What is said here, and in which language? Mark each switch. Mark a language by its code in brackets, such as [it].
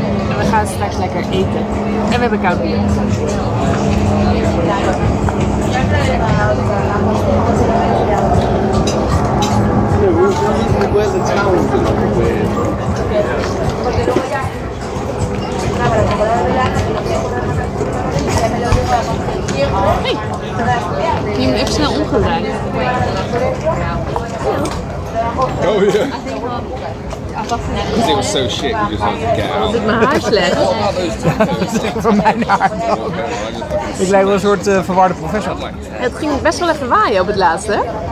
[nl] En we gaan straks lekker eten. En we hebben koud bier. Hey, je hebt even snel omgedraaid. Oh ja. [en] Because it was so shit, you just had to get out. [nl] Is het mijn haar slecht? Dat is echt van mijn haar. Ik lijk wel een soort verwarde professor. Het ging best wel even waaien op het laatste.